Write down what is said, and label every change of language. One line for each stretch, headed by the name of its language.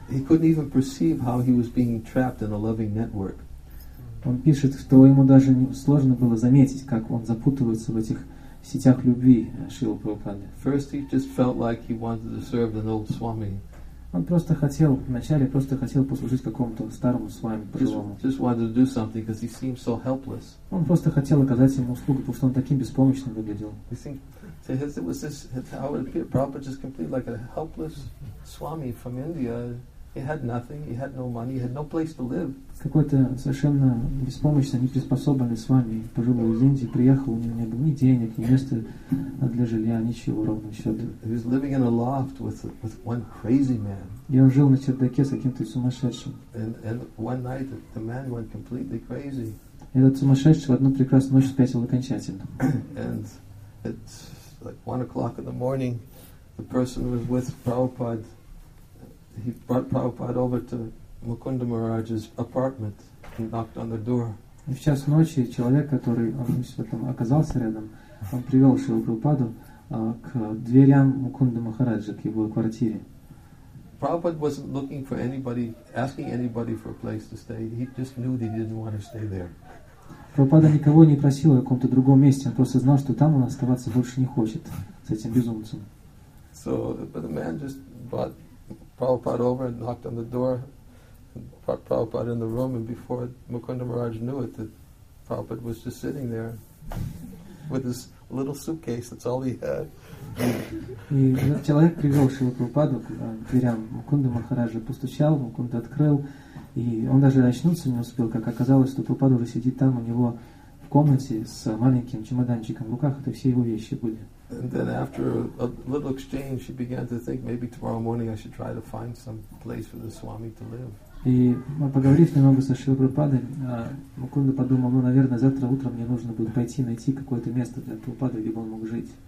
English: He couldn't even perceive how he was being trapped in a loving network.
Russian: Он пишет, что ему даже сложно было заметить, как он запутывается в этих сетях любви Шрилы Прабхупады.
English: First he just felt like he wanted to serve an old swami.
Russian: Он просто хотел вначале просто хотел послужить какому-то старому с вами пожилому.
English: Just wanted to do something because he seemed so helpless.
Russian: Он просто хотел оказать ему услугу, потому что он таким беспомощным выглядел.
English: Prabhupada just completely like a helpless swami from India. He had nothing. He had no money. He had no place to live.
Russian: Какой-то совершенно беспомощный, неприспособленный с вами пожилой из Индии приехал, у него не было ни денег, ни места для жилья, ничего ровно счета. И он жил на чердаке с каким-то сумасшедшим.
English: And one night the man went completely crazy.
Russian: Этот сумасшедший в одну прекрасную ночь спятил окончательно.
English: And at like 1 o'clock in the morning, the person was with Prabhupada. He brought Prabhupada over to Mukunda Maharaj's apartment and knocked on the door.
Russian: И в час ночи человек, который оказался рядом, он привел Шрилу Прабхупаду к дверям Мукунда Махараджа, к его квартире.
English: Prabhupada wasn't looking for anybody, asking anybody for a place to stay. He just knew that he didn't want to stay there.
Russian: Прабхупада никого не просил о каком-то другом месте. Он просто знал, что там он оставаться больше не хочет с этим безумцем.
English: So, but the man just brought Prabhupada over and knocked on the door. Prabhupada in the room, and before Mukunda Maharaj knew it, that Prabhupada was just sitting there with his little suitcase. That's all he had.
Russian: И человек привел Шрилу Прабхупаду к дверям Мукунда Махараджа, постучал, Мукунда открыл, и он даже очнуться не успел, как оказалось, что Прабхупада уже сидит там у него в комнате с маленьким чемоданчиком в руках, это все его вещи были.
English: And then after a little exchange, she began to think maybe tomorrow morning I should try to find some place for the Swami to live.
Russian: И поговорив немного со Шрилой Прабхупадой, Мукунда подумал, ну, наверное, завтра утром мне нужно будет пойти найти какое-то место для Прабхупады, где бы он мог жить,